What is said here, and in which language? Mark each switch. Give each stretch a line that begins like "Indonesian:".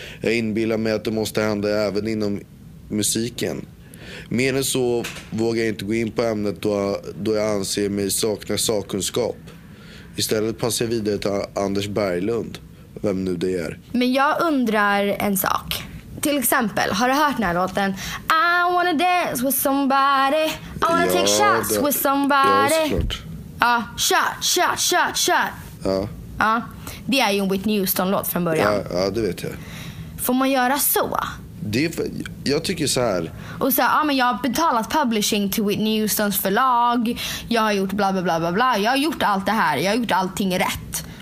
Swedish: Jag inbillar mig att det måste hända även inom musiken. Mer än så vågar jag inte gå in på ämnet då jag anser mig sakna sakkunskap. Istället passar jag vidare till Anders Berglund. Vem nu det är. Men jag undrar en sak. Till exempel, har du hört den här låten?
English: I wanna dance with somebody, I wanna take shots with somebody.
Swedish: Ja, såklart. Ja, shot. Ja. Ja. Det är ju en Whitney Houston-låt från början. Ja, det vet jag. Får man göra så? Jag tycker så här. Och så, ja, men jag har betalat publishing till Whitney Houstons förlag. Jag har gjort bla bla bla bla bla. Jag har gjort allt det här. Jag har gjort allting rätt.